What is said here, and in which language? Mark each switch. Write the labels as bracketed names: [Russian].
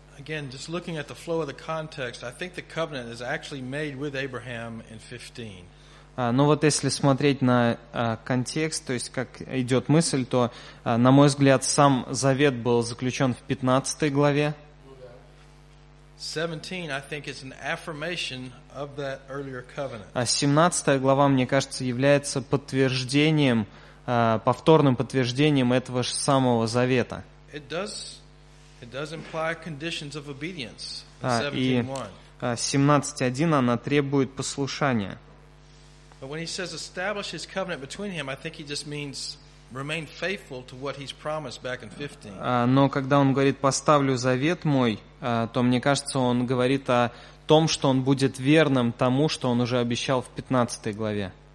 [English] Again, just looking at the flow of the context, I think the covenant is actually made with Abraham in 15. [Russian] Ну вот если смотреть на контекст, то есть как идет мысль, то, на мой взгляд, сам завет был заключен в 15 главе. [English] 17, I think, is an affirmation of that earlier covenant. [Russian] А 17 глава, мне кажется, является подтверждением, повторным подтверждением этого же самого завета. [English] It does imply conditions of obedience. [Russian] 17:1 она требует послушания. [English] But when he says establish his covenant between him, I think he just means remain faithful to what he's promised back in 15. [Russian] Но когда он говорит поставлю завет мой, то мне кажется, он говорит о том, что он будет верным тому, что он уже обещал в 15 главе.